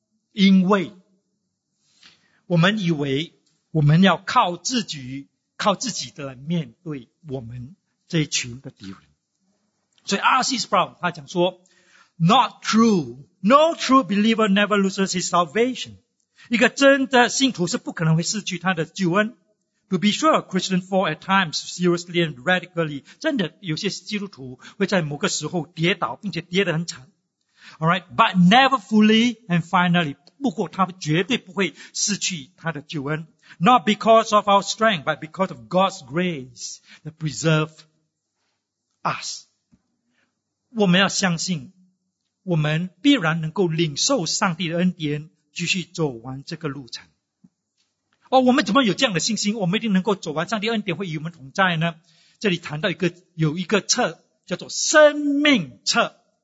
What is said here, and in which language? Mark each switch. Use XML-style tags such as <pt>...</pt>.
<zh>因为我们以为我们要靠自己，靠自己的来面对我们这一群的敌人。所以 R.C. Sproul 他讲说，</zh> <en>Not true。 No true believer never loses his salvation.</en> <zh>一个真的信徒是不可能会失去他的救恩。</zh> <en>To be sure, Christians fall at times seriously and radically.</en> <zh>真的有些基督徒会在某个时候跌倒，并且跌得很惨。</zh> <en>Alright, but never fully and finally.</en> <zh>不过他绝对不会失去他的救恩。</zh> <en>Not because of our strength, but because of God's grace that preserves us.</en> <zh>我们要相信我们必然能够领受上帝的恩典，继续走完这个路程。哦，我们怎么有这样的信心？我们一定能够走完上帝恩典会与我们同在呢？这里谈到一个有一个册叫做生命册。</zh>